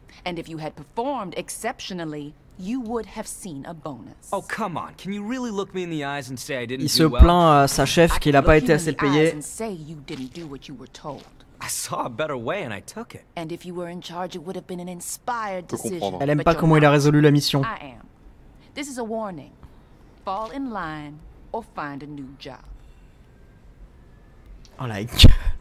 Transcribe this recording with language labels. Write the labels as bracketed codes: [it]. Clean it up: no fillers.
[en] And if you had performed exceptionally, you would have seen a bonus. Oh come on, can you really look me in the eyes and say I didn't do well? [fr] Il se plaint à sa chef qu'il a pas été assez payé. [en] And say you didn't do what you were told. I saw a better way and I took it. And if you were in charge, it would have been an inspired decision. [fr] Elle aime pas comment il a résolu la mission. [en] I am. This is a warning. Fall in line or find a new job. [fr] Oh la gueule.